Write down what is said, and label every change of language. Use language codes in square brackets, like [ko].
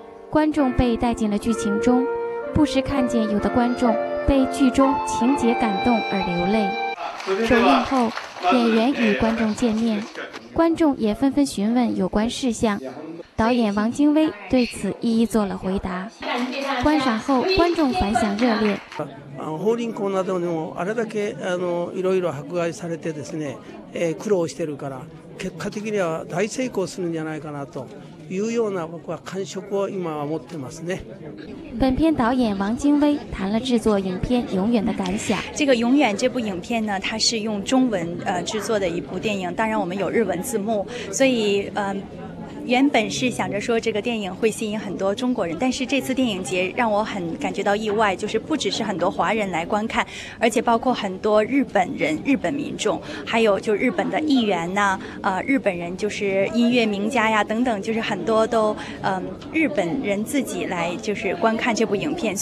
[zh] 观众被带进了剧情中，不时看见有的观众被剧中情节感动而流泪。首映后，演员与观众见面，观众也纷纷询问有关事项，导演王京威对此一一做了回答。观赏后，观众反响热烈。 [ja] 法輪功などにもあれだけいろいろ迫害されてですね、苦労してるから、結果的には大成功するんじゃないかなというような僕は感触を今は持ってますね。 [zh] 本片导演王京威谈了制作影片《永远》的感想。这个《永远》这部影片呢，它是用中文制作的一部电影，当然我们有日文字幕，所以原本是想着说这个电影会吸引很多中国人，但是这次电影节让我很感觉到意外，就是不只是很多华人来观看，而且包括很多日本人、日本民众，还有就日本的议员呢、日本人就是音乐名家呀等等，就是很多都日本人自己来就是观看这部影片。